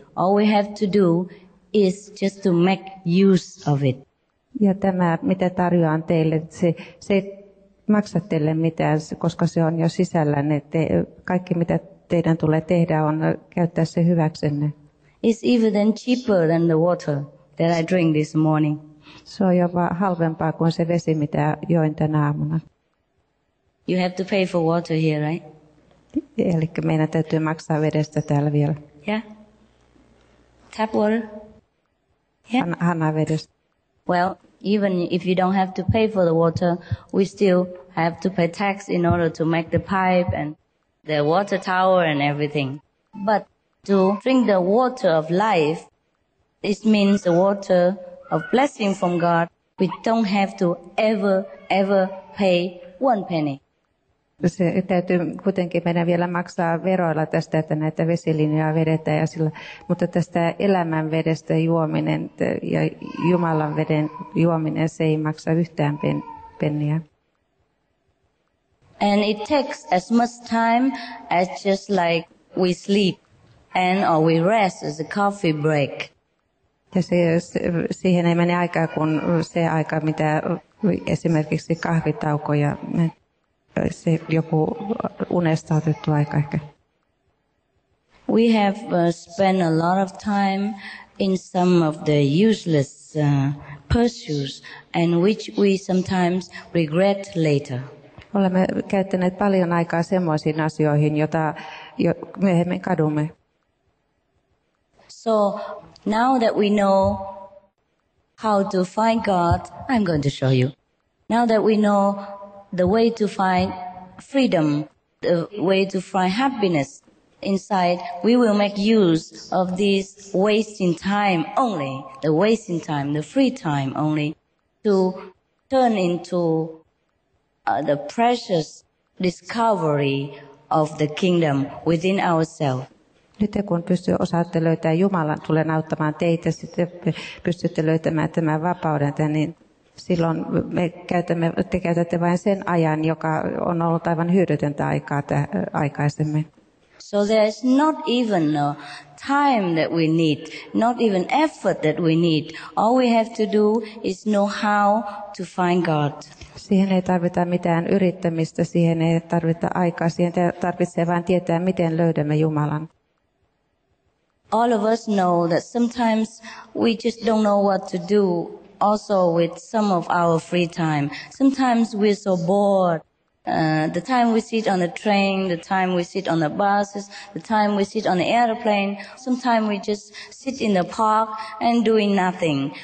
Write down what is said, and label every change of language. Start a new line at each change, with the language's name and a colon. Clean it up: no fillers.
English: All we have to do is just to make use of it.
Finnish: Ja tämä, mitä tarjoan teille, se maksat teille mitään, koska se on jo sisällä. Kaikki, mitä teidän tulee tehdä, on käyttää se hyväksenne.
English: It's even cheaper than the water that I drink this morning.
Finnish: Se on jopa halvempaa kuin se vesi, mitä join tänä aamuna.
English: You have to pay for water here, right?
Finnish: Eli meidän täytyy maksaa vedestä täällä vielä.
English: Yeah. Tap water.
Finnish: Yeah. Hanna vedestä.
English: Well, even if you don't have to pay for the water, we still have to pay tax in order to make the pipe and the water tower and everything. But to drink the water of life, this means the water of blessing from God, we don't have to ever pay one penny.
Finnish: Se täytyy kuitenkin meidän vielä maksaa veroilla tästä, että näitä vesilinjoja vedetään ja sillä, mutta tästä elämän vedestä juominen ja Jumalan veden juominen, se ei maksa yhtään penniä.
English: And it takes as much time as just like we sleep and or we rest as a coffee break.
Finnish: Ja siihen ei mene aikaa kuin se aika, mitä esimerkiksi kahvitaukoja. Se joku unesta otettu aika ehkä.
English: We have spent a lot of time in some of the useless pursuits and which we sometimes regret later.
Finnish: Olemme käyttäneet paljon aikaa semmoisiin asioihin, joita myöhemmin kadumme.
English: So now that we know how to find God, I'm going to show you. Now that we know the way to find freedom, the way to find happiness inside, we will make use of this wasting time only, the wasting time, the free time only, to turn into the precious discovery of the kingdom within ourselves.
Finnish: Nyt kun osaatte löytää Jumalan, tulen auttamaan teitä, sitten pystytte löytämään tämän vapauden, niin silloin te käytätte vain sen ajan, joka on ollut aivan hyödytöntä aikaa aikaisemmin.
English: So there is not even a time that we need, not even effort that we need. All we have to do is know how to find God.
Finnish: Siihen ei tarvita mitään yrittämistä, siihen ei tarvita aikaa, siihen tarvitsee vain tietää, miten löydämme Jumalan.
English: All of us know that sometimes we just don't know what to do. Also with some of our free time. Sometimes we're so bored. The time we sit on the train, the time we sit on the buses, the time we sit on the airplane, sometimes we just sit in the park and doing nothing.